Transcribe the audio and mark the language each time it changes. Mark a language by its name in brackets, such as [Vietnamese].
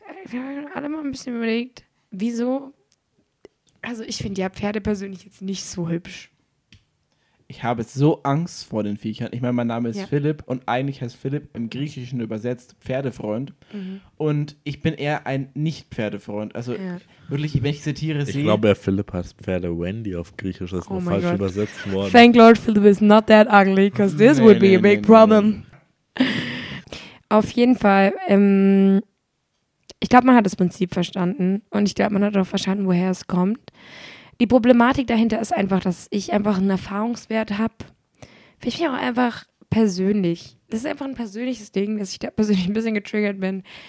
[German] Wir haben alle mal ein bisschen überlegt, wieso? Also ich finde ja Pferde persönlich jetzt nicht so hübsch. Ich habe so Angst vor den Viechern. Ich meine, mein Name ist Philipp und eigentlich heißt Philipp im Griechischen übersetzt Pferdefreund. Mhm. Und ich bin eher ein Nicht-Pferdefreund. Also wirklich, wenn ich diese Tiere sehe... Ich glaube, Philipp heißt Pferde Wendy auf Griechisch. Das ist nur falsch übersetzt worden. [English] Thank Lord, Philipp is not that ugly, because this would be a big problem. [German] Auf jeden Fall, ich glaube, man hat das Prinzip verstanden. Und ich glaube, man hat auch verstanden, woher es kommt. Die Problematik dahinter ist einfach, dass ich einfach einen Erfahrungswert habe. Vielleicht bin ich auch einfach persönlich. Das ist einfach ein persönliches Ding, dass ich da persönlich ein bisschen getriggert bin.